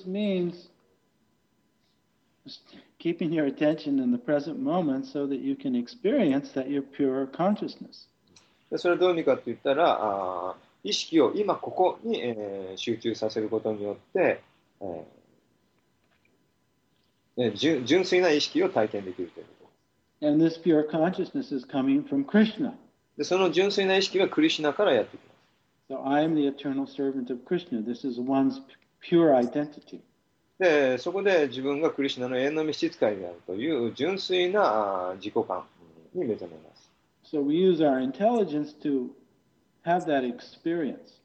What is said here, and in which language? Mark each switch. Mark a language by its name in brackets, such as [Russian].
[English] So this means keeping your attention in the present moment so that you can experience that your pure consciousness. [Japanese] それはどういう意味かといったら、意識を今ここに集中させることによって、純粋な意識を体験できるということ。 [English] And this pure consciousness is coming from Krishna. [Japanese] でその純粋な意識がクリシュナからやってきます。 [English] So I am the eternal servant of Krishna. This is one's pure identity. [Japanese] でそこで自分がクリシュナの永遠の召使いであるという純粋な自己感に目覚めます。 [English] So we use our intelligence to have that experience.